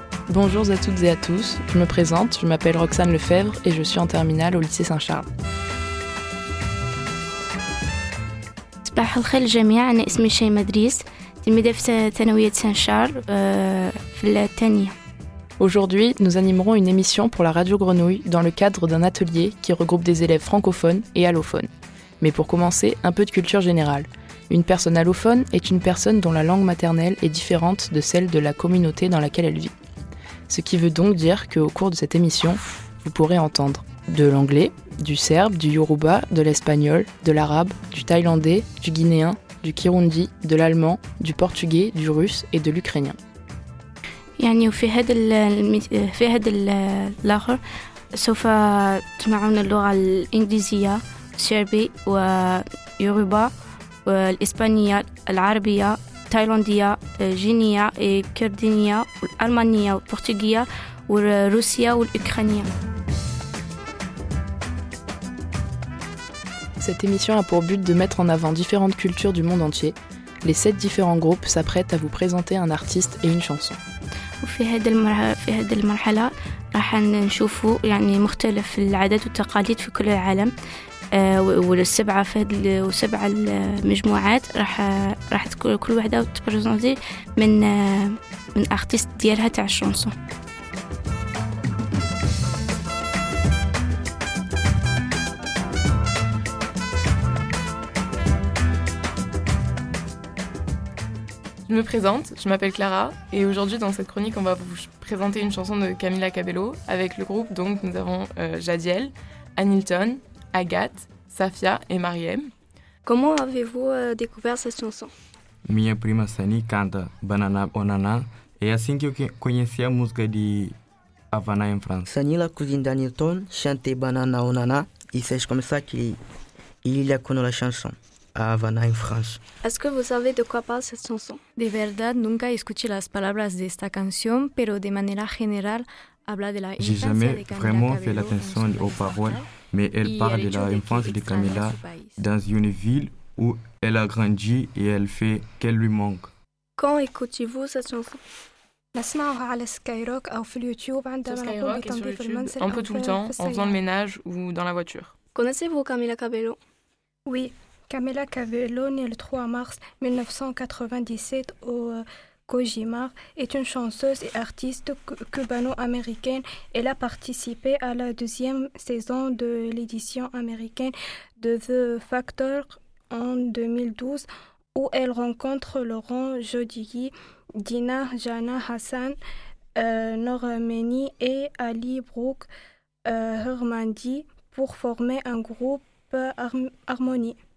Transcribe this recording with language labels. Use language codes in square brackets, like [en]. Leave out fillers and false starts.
[fr] Bonjour à toutes et à tous, je me présente, je m'appelle Roxane Lefebvre et je suis en terminale au lycée Saint-Charles. [ar] صباح الخير للجميع, انا اسمي شي مدريس, تلميذة في ثانوية Saint-Charles في الثانية. [fr] Aujourd'hui, nous animerons une émission pour la Radio Grenouille dans le cadre d'un atelier qui regroupe des élèves francophones et allophones. Mais pour commencer, un peu de culture générale. Une personne allophone est une personne dont la langue maternelle est différente de celle de la communauté dans laquelle elle vit. Ce qui veut donc dire qu'au cours de cette émission, vous pourrez entendre de l'anglais, du serbe, du yoruba, de l'espagnol, de l'arabe, du thaïlandais, du guinéen, du kirundi, de l'allemand, du portugais, du russe et de l'ukrainien. [ar] يعني وفي هذا في هذا الاخر سوف تسمعون اللغه الانجليزيه سيربي ويوروبا والاسبانيه العربيه التايلانديه الجينيه الكردينيه الالمانيه البرتغاليه والروسيه والاوكرانيه. [fr] Cette émission a pour but de mettre en avant différentes cultures du monde entier. Les 7 différents groupes s'apprêtent à vous présenter un artiste et une chanson. [ar] وفي هذا في هذه المرحلة راح نشوفوا يعني مختلف العادات والتقاليد في كل العالم والسبعة في وسبعة المجموعات راح تكون كل واحدة تبرزونزي من أرتيست ديالها تاع الشونسون. [fr] Je me présente, je m'appelle Clara et aujourd'hui dans cette chronique on va vous présenter une chanson de Camila Cabello avec le groupe. Donc nous avons Jadiel, Anilton, Agathe, Safia et Mariem. Comment avez-vous découvert cette chanson? [pt] Minha prima Sani canta Banana Onana et assim que eu conheci a música de Havana em França. [fr] Sani, la cousine d'Anilton, chante Banana Onana et c'est comme ça qu'il a connu la chanson. Havana en France. Est-ce que vous savez de quoi parle cette chanson? [es] De verdad, nunca escuché las palabras de esta canción, pero de manera general, habla de la infancia de Camila. [fr] J'ai jamais vraiment fait l'attention aux paroles, mais elle parle de la infance de Camila dans une ville où elle a grandi et elle fait qu'elle lui manque. Quand écoutez-vous cette chanson? [ar] نسمعها على Skyrock [fr] ou sur [ar] YouTube عندما نكون بتنظيف المنزل. [fr] Un peu tout le temps, en faisant le ménage ou dans la voiture. Connaissez-vous Camila Cabello? Oui. Camila Cabello, née le 3 mars 1997 au Kojima, est une chanteuse et artiste cubano-américaine. Elle a participé à la 2e saison de l'édition américaine de The Factor en 2012, où elle rencontre Laurent Jodigui, Dina Jana Hassan, Noramani et Ali Brooke Hermandi pour former un groupe Harmonie.